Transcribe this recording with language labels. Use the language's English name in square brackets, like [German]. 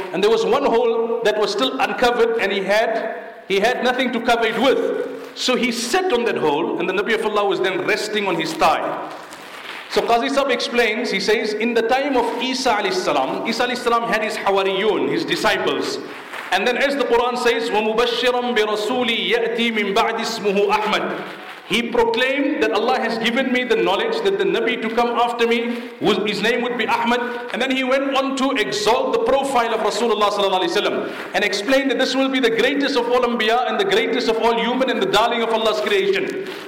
[English] And there was one hole that was still uncovered and he had nothing to cover it with. So he sat on that hole and the Nabi of Allah was then resting on his thigh. So Qazi Sahib explains, he says, in the time of Isa alayhi salam, Isa alayhi salam had his hawariyun, his disciples. And then as the Quran says, [Arabic] وَمُبَشِّرًا بِرَسُولِي يَأْتِي مِنْ بَعْدِ اسْمُهُ أَحْمَدٍ. [English] He proclaimed that Allah has given me the knowledge that the Nabi to come after me, his name would be Ahmad. And then he went on to exalt the profile of Rasulullah sallallahu alaihi wasallam and explained that this will be the greatest of all Anbiya and the greatest of all human and the darling of Allah's creation.